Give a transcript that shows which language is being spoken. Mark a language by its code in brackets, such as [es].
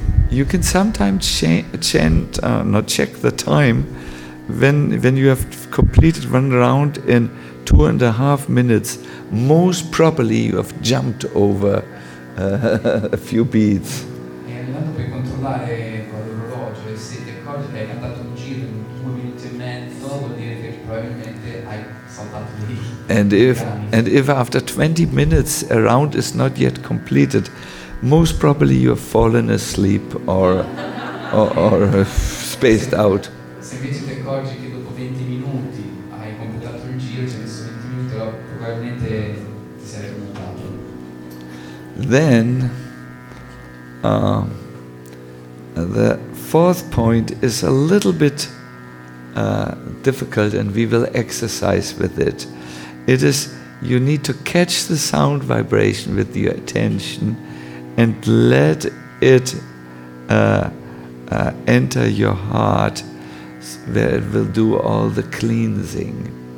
[en] You can sometimes check the time when you have completed one round in 2.5 minutes. Most probably, you have jumped over a few beats. [it] camminando puoi controllare l'orologio e se ti accorgi che hai andato un giro in 2 minuti e mezzo vuol dire che probabilmente hai saltato lì. [en] And if after 20 minutes a round is not yet completed, most probably you have fallen asleep or spaced out. [it] Se invece ti accorgi che dopo 20 minuti hai completato il giro, ci hai messo 20 minuti, probabilmente ti sei rimontato. [en] Then the fourth point is a little bit difficult, and we will exercise with it. It is, you need to catch the sound vibration with your attention and let it enter your heart, where it will do all the cleansing.